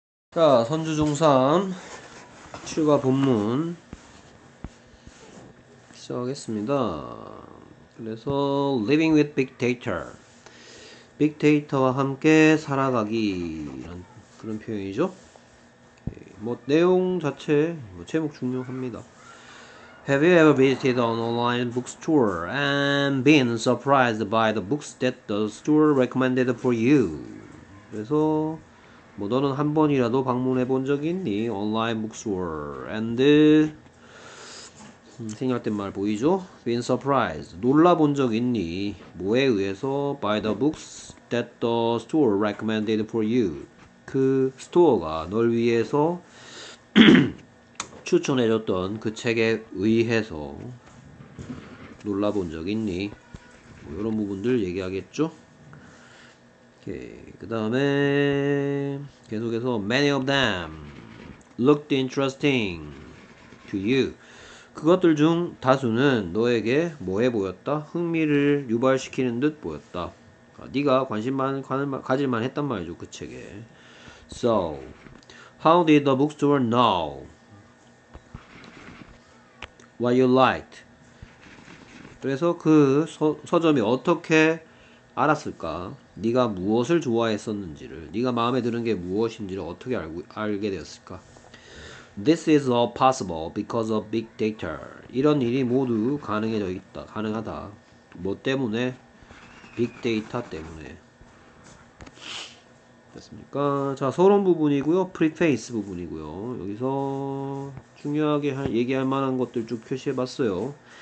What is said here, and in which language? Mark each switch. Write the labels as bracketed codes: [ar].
[ko] 자, 선주중삼 출가 본문 시작하겠습니다. 그래서 [en] Living with Big Data, [ko] 빅데이터와 함께 살아가기 이런 그런 표현이죠. 뭐 내용 자체 뭐 제목 중요합니다. [en] Have you ever visited an online bookstore and been surprised by the books that the store recommended for you? [ko] 그래서 뭐 너는 한 번이라도 방문해 본적 있니? 온라인 북스월 and 생략된 말 보이죠? [en] Been surprised. [ko] 놀라 본적 있니? 뭐에 의해서? [en] By the books that the store recommended for you. [ko] 그 스토어가 널 위해서 추천해 줬던 그 책에 의해서 놀라 본적 있니? 뭐 이런 부분들 얘기하겠죠? 그 다음에 계속해서 [en] Many of them looked interesting to you. [ko] 그것들 중 다수는 너에게 뭐해 보였다? 흥미를 유발시키는 듯 보였다. 네가 관심만 가질만 했단 말이죠, 그 책에. [en] So, how did the bookstore know what you liked? [ko] 그래서 그 서점이 어떻게 알았을까? 네가 무엇을 좋아했었는지를, 네가 마음에 드는 게 무엇인지를 어떻게 알게 되었을까? [en] This is all possible because of big data. [ko] 이런 일이 모두 가능해져 있다. 가능하다. 뭐 때문에? 빅데이터 때문에. 됐습니까? 자, 서론 부분이고요. 프리페이스 부분이고요. 여기서 중요하게 얘기할 만한 것들 쭉 표시해봤어요.